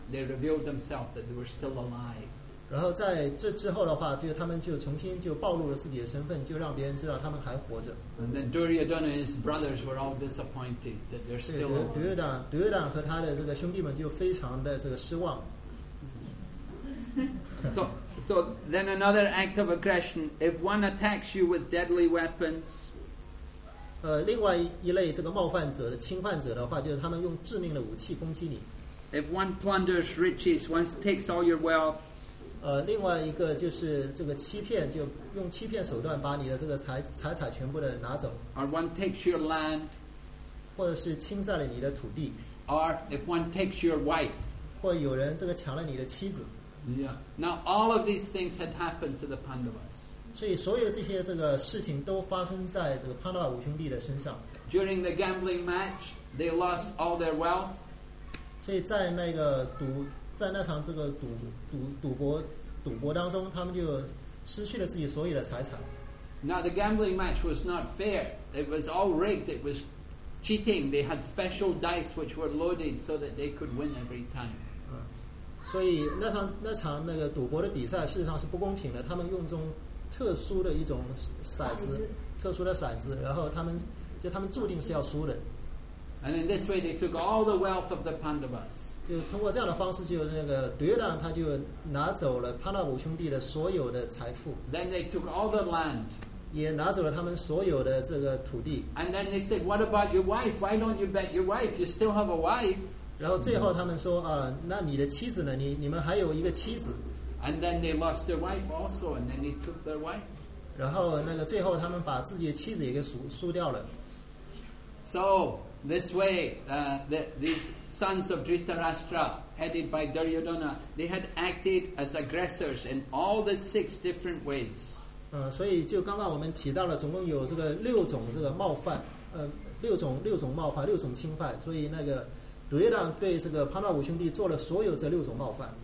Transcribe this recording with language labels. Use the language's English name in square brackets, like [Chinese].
[English] They revealed themselves that they were still alive. [Chinese] 然后在这之后的话，就他们就重新就暴露了自己的身份，就让别人知道他们还活着。 [English] And then Duryodhana and his brothers were all disappointed that they're still alive. [Chinese] 对，Duryodhana和他的这个兄弟们就非常的这个失望。 [English] So then another act of aggression. If one attacks you with deadly weapons. [Chinese] 另外一类这个冒犯者的侵犯者的话，就是他们用致命的武器攻击你。 [English] If one plunders riches, one takes all your wealth. [Chinese] 另外一个就是这个欺骗，就用欺骗手段把你的这个财产全部的拿走。 [English] Or one takes your land. [Chinese] 或者是侵占了你的土地。 [English] Or if one takes your wife. [Chinese] 或有人这个抢了你的妻子。 [English] Yeah. Now all of these things had happened to the Pandavas. [Chinese] 所以所有这些这个事情都发生在这个潘达瓦五兄弟的身上。 [English] During the gambling match, they lost all their wealth. [Chinese] 所以在那场赌博当中，他们就失去了自己所有的财产。 [English] Now the gambling match was not fair. It was all rigged. It was cheating. They had special dice which were loaded so that they could win every time. [Chinese] 所以那场那个赌博的比赛事实上是不公平的，他们用这种。特殊的骰子，然后他们注定是要输的。 [English] And in this way, they took all the wealth of the Pandavas. [Chinese] 就通过这样的方式，就那个夺了，他就拿走了潘达五兄弟的所有的财富。 [English] Then they took all the land. [Chinese] 也拿走了他们所有的这个土地。 [English] And then they said, "What about your wife? Why don't you bet your wife? You still have a wife." [Chinese] 然后最后他们说啊，那你的妻子呢？你们还有一个妻子。 [English] And then they lost their wife also, and then he took their wife. [Chinese] 然后那个最后他们把自己的妻子也给输掉了。 [English] So this way, these sons of Dhritarashtra, headed by Duryodhana, they had acted as aggressors in all the six different ways. [Chinese] 所以就刚刚我们提到了，总共有这个六种这个冒犯，六种冒犯，六种侵犯。所以那个如月亮对这个潘道五兄弟做了所有这六种冒犯。